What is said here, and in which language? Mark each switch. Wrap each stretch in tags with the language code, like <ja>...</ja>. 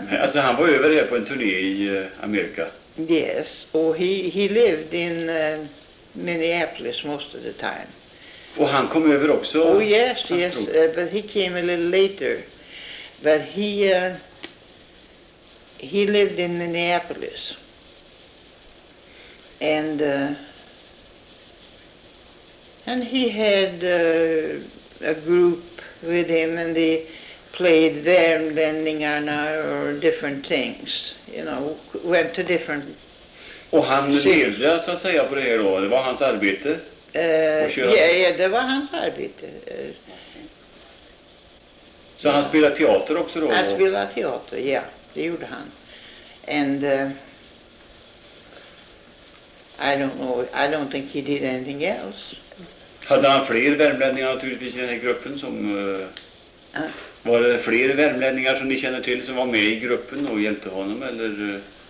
<sv>Alltså han var över här på en turné i Amerika.</sv> <en>Yes,</en> <sv>och</sv> <en>he lived in Minneapolis most of the time.</en> <sv>Och han kom över också?</sv> <en>Oh yes, yes, but he came a little later. But he... He lived in Minneapolis, and he had a group with him, and they played Värmlänningarna or different things, you know, went to different...</en> <sv>Och han levde, så att säga, på det här då? Det var hans arbete? Ja, det var hans arbete. Så han spelade teater också då? Han spelade teater, ja, det gjorde han.</sv> <en>And I don't know, I don't think he did anything else.</en> <sv>Hade han fler värmlänningar naturligtvis i den här gruppen som... Var det fler värmlänningar som ni känner till som var med i gruppen och hjälpte honom eller...</sv>